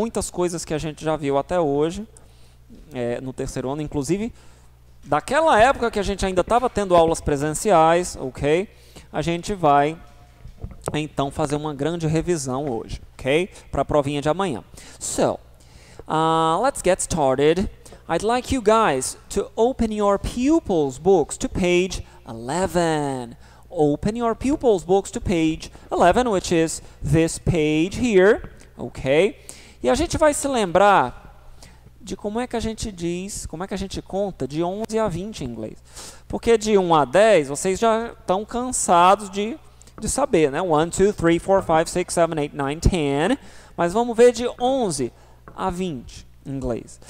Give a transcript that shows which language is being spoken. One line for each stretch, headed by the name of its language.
Portuguese: Muitas coisas que a gente já viu até hoje, no terceiro ano, inclusive, daquela época que a gente ainda estava tendo aulas presenciais, ok? A gente vai, então, fazer uma grande revisão hoje, ok? Para a provinha de amanhã.
English: So, let's get started. I'd like you guys to open your pupils' books to page 11. Open your pupils' books to page 11, which is this page here, ok?
Portuguese: E a gente vai se lembrar de como é que a gente diz, como é que a gente conta de 11 a 20 em inglês. Porque de 1 a 10, vocês já estão cansados de saber, né? 1, 2, 3, 4, 5, 6, 7, 8, 9, 10. Mas vamos ver de 11 a 20 em inglês.